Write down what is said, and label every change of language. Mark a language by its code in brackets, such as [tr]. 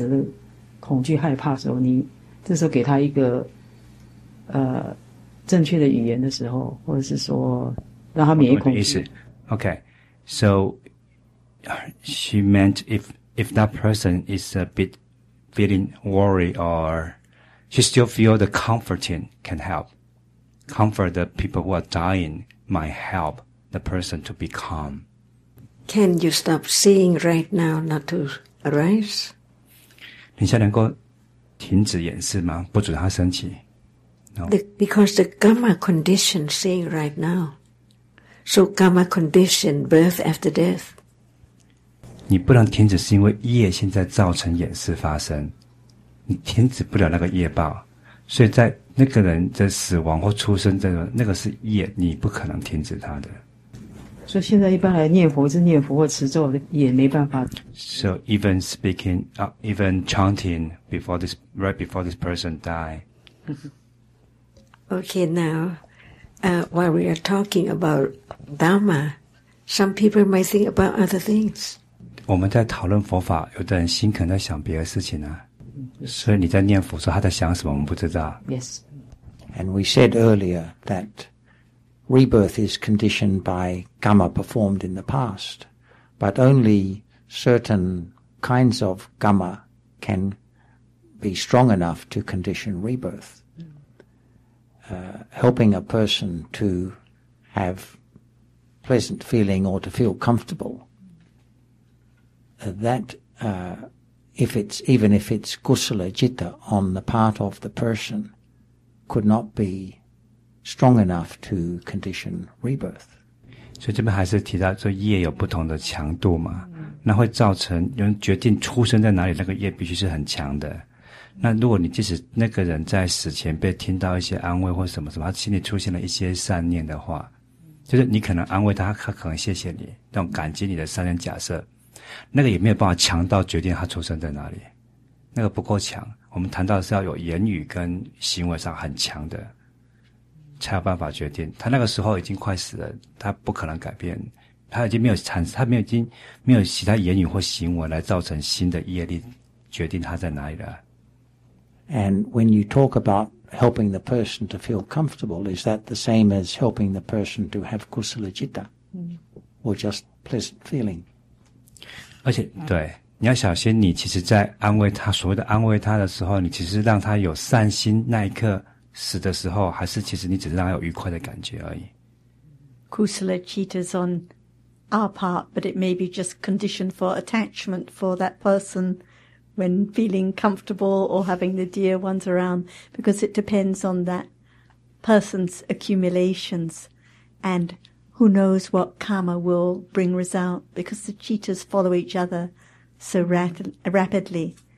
[zh] 那业是心所呈现的状态，果报的状，那个你心也是意图，哎，对，业是意图。那我的意思说，那往生的人在这个时候，他过去种的业，哦，他过去在他心事里面种的这些意图，加都是不善的，那当然去不好的地方，还有果报心嘛，哦，那假如他是不好也不坏的时候，那他只是恐惧害怕的时候，你这时候给他一个。正确的语言的时候，或者是说让他免疫恐惧。OK， [en] so she meant if that person is a bit feeling worried or she still feel the comforting can help. Comfort the people who are dying might help the person to be calm. Can you stop seeing right now not to arise? [zh] 你现在能够停止掩饰吗？不准他升起。 [en] Because the karma condition seeing right now, So karma condition, birth after death. [zh] 你不能停止是因为业现在造成演示发生，你停止不了那个业报，所以在那个人的死亡或出生这种，那个是业，你不可能停止他的。所以现在一般来念佛，是念佛或持咒也没办法。 [en] So even speaking, even chanting before this, right before this person die. Okay, now, while we are talking about Dharma, some people might think about other things. [zh] 我们在讨论佛法，有的人心可能在想别的事情啊。所以你在念佛说他在想什么，我们不知道。 [en] Yes. And we said earlier that. Rebirth is conditioned by karma performed in the past, but only certain kinds of karma can be strong enough to condition rebirth. Helping a person to have pleasant feeling or to feel comfortable, that if it's kusala jitta on the part of the person, could not be. Strong enough to condition rebirth. [zh] 所以这边还是提到说业有不同的强度嘛，那会造成人决定出生在哪里，那个业必须是很强的。那如果你即使那个人在死前被听到一些安慰或什么什么，他心里出现了一些善念的话，就是你可能安慰他，他可能谢谢你，那种感激你的善念，假设那个也没有办法强到决定他出生在哪里，那个不够强。我们谈到的是要有言语跟行为上很强的。才有办法决定，他那个时候已经快死了，他不可能改变，他已经没有产生，他没有已经没有其他言语或行为来造成新的业力，决定他在哪里了。 [en] And when you talk about helping the person to feel comfortable, is that the same as helping the person to have kusala jitta, or just pleasant feeling? [zh] 而且，对，你要小心，你其实在安慰他，所谓的安慰他的时候，你其实让他有善心那一刻。死的时候，还是其实你只是让他有愉快的感觉而已。 [en] Kusala jitta is on our part, but it may be just conditioned for attachment for that person when feeling comfortable or having the dear ones around, because it depends on that person's accumulations, and who knows what karma will bring result, because the jittas follow each other so rapidly.